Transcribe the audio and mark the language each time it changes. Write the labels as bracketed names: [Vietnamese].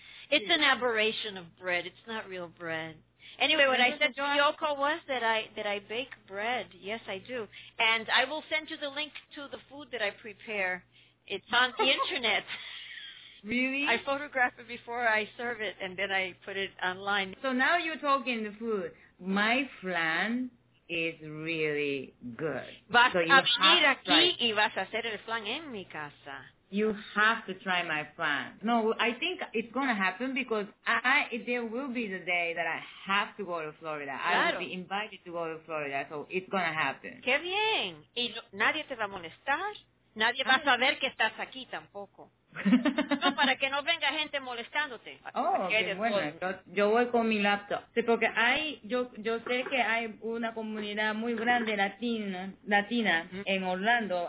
[English] It's an aberration of bread. It's not real bread. Anyway, what I said to Yoko was that I bake bread. Yes, I do. And I will send you the link to the food that I prepare. It's on the internet. Really? I photograph it before I serve it, and then I put it online. So now you're talking food. My flan is really good. [Spanish] Vas so a venir aquí y vas a hacer el flan en mi casa. [English] You have to try my flan. No, I think it's going to happen because there will be the day that I have to go to Florida. [Spanish] Claro. [English] I will be invited to go to Florida, so it's going to happen. [Spanish] Qué bien. Y nadie te va a molestar. Nadie va a saber que estás aquí tampoco. No, para que no venga gente molestándote. Oh, qué bueno. Yo voy con mi laptop. Sí, porque yo sé que hay una comunidad muy grande latina en Orlando.